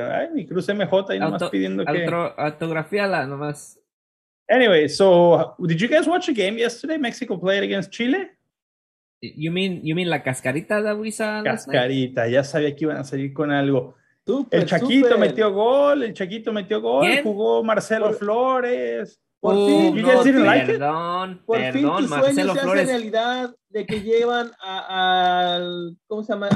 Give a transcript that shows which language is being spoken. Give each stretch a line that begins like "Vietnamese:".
Spanish: Ay, mi Cruz MJ ahí nomás pidiendo que... Autografíala nomás.
English: Anyway, so, did you guys watch a game yesterday? Mexico played against Chile? You mean
Spanish: la cascarita de Luisa? Cascarita, ya sabía que iban a salir con algo. Super, el Chaquito super. metió gol. ¿Quién? Jugó Marcelo Flores. Perdón, Marcelo Flores. Por fin tu sueño se hace realidad de que llevan al, ¿cómo se llama?